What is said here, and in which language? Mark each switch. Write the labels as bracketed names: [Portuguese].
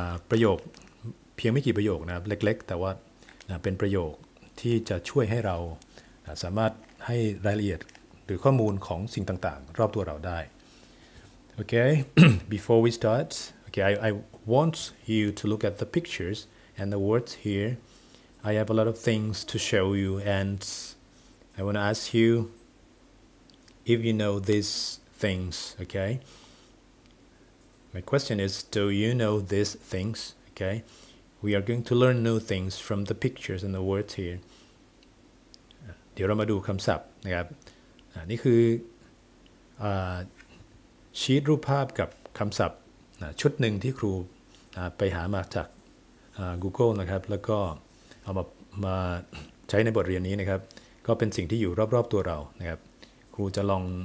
[Thai] ประโยคเพียงไม่กี่ประโยคนะครับเล็กๆแต่ว่าเป็นประโยคที่จะช่วยให้เราสามารถให้รายละเอียดหรือข้อมูลของสิ่งต่างๆรอบตัวเราได้โอเค [English] before we startOkay, I want you to look at the pictures and the words here. I have a lot of things to show you, and I want to ask you if you know these things, okay? My question is, do you know these things, okay? We are going to learn new things from the pictures and the words here. [Thai] เดี๋ยวเรามาดูคำศัพท์นะครับนี่คือชีทรูปภาพกับคำศัพท์ชุดหนึ่งที่ครูไปหามาจาก Google นะครับแล้วก็เอามาใช้ในบทเรียนนี้นะครับก็เป็นสิ่งที่อยู่รอบๆตัวเรานะครับครูจะลอง